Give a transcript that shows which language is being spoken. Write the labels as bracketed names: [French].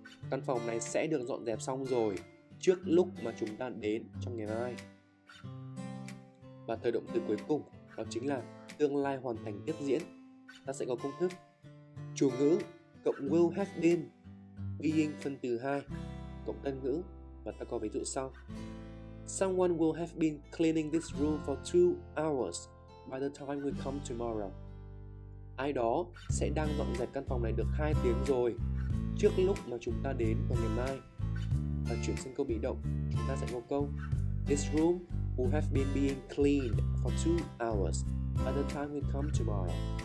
[Vietnamese] Căn phòng này sẽ được dọn dẹp xong rồi trước lúc mà chúng ta đến trong ngày mai. Và thời động từ cuối cùng đó chính là tương lai hoàn thành tiếp diễn. Ta sẽ có công thức chủ ngữ cộng will have been being phân từ 2 cộng tân ngữ. Và ta có ví dụ sau. [English] Someone will have been cleaning this room for 2 hours by the time we come tomorrow. [Vietnamese] Ai đó sẽ đang dọn dẹp căn phòng này được 2 tiếng rồi trước lúc mà chúng ta đến vào ngày mai. Và chuyển sang câu bị động, chúng ta sẽ có câu [English] this room will have been being cleaned for 2 hours by the time we come tomorrow.